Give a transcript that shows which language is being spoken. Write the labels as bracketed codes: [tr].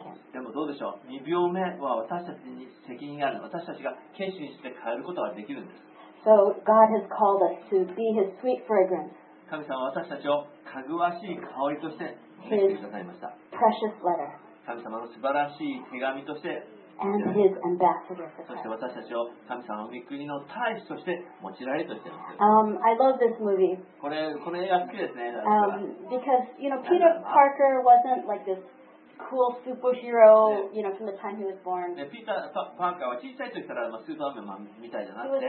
[ja] でもどうでしょう、2秒目は私たちに責任がある、私たちが決心して変えることができるんです。 [en] So God has called us to be His sweet fragrance. [ja] 神様は私たちをかぐわしい香りとして召してくださいました。 [en] His precious letter. [ja] 神様の素晴らしい手紙として、 [en] And his ambassador [ja] そして私たちを神様の御国の大使として用いられるとしています。 [en] I love this movie. [ja] この映画好きですね。 [en] Because you know, Peter Parker wasn't like this cool superhero, you know, from the time he was born. [ja] で、ピーター・パーカーは小さい時からまあスーパーマンみたいじゃなくて、